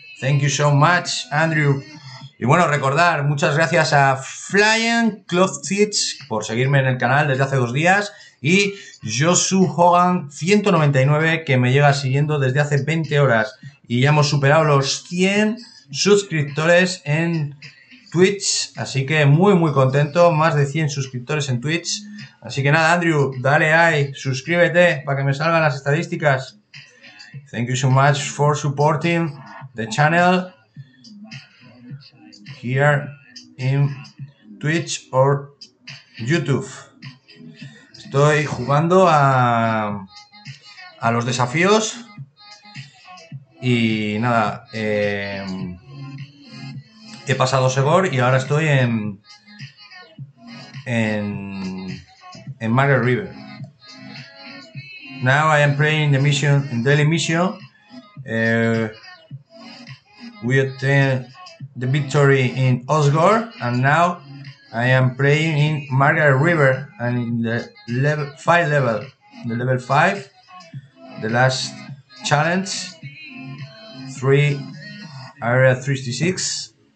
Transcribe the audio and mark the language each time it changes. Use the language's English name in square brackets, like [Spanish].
[English] Thank you so much, Andrew. [Spanish] Y bueno, recordar, muchas gracias a Flying Clothfits por seguirme en el canal desde hace 2 días y JosuHogan199 que me llega siguiendo desde hace 20 horas y ya hemos superado los 100 suscriptores en Twitch, así que muy muy contento, más de 100 suscriptores en Twitch, así que nada, Andrew, dale ahí, suscríbete para que me salgan las estadísticas. [English] Thank you so much for supporting the channel here in Twitch or YouTube. [Spanish] Estoy jugando a los desafíos y nada, he pasado Segor y ahora estoy en Margaret River. [English] Now I am playing the mission, daily mission. We obtained the victory in Osgore, and now I am playing in Margaret River and in the level five, the last challenge, area 36.